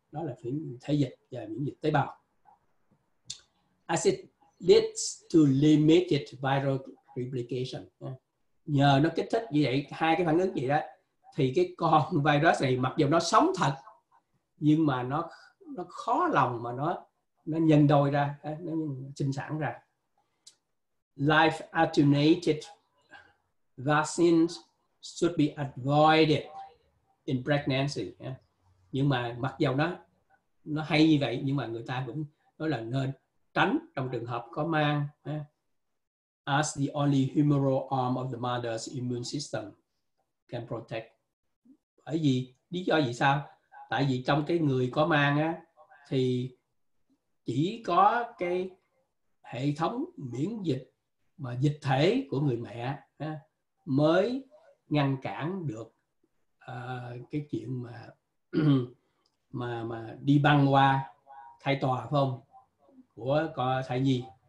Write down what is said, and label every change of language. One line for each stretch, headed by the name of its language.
Vietnamese: Đó là thể dịch và miễn dịch tế bào.
English: As it leads to limited viral replication,
Vietnamese: nhờ nó kích thích như vậy, hai cái phản ứng gì đó, thì cái con virus này mặc dù nó sống thật nhưng mà nó khó lòng mà nó nhân đôi ra, nó sinh sản ra.
English: Live attenuated vaccines should be avoided in pregnancy.
Vietnamese: Nhưng mà mặc dù nó hay như vậy, nhưng mà người ta cũng nói là nên tránh trong trường hợp có mang.
English: As the only humoral arm of the mother's immune system can protect.
Vietnamese: Bởi vì lý do gì sao? Tại vì trong cái người có mang thì chỉ có cái hệ thống miễn dịch mà dịch thể của người mẹ mới ngăn cản được cái chuyện mà đi băng qua thai tòa không của thai nhi.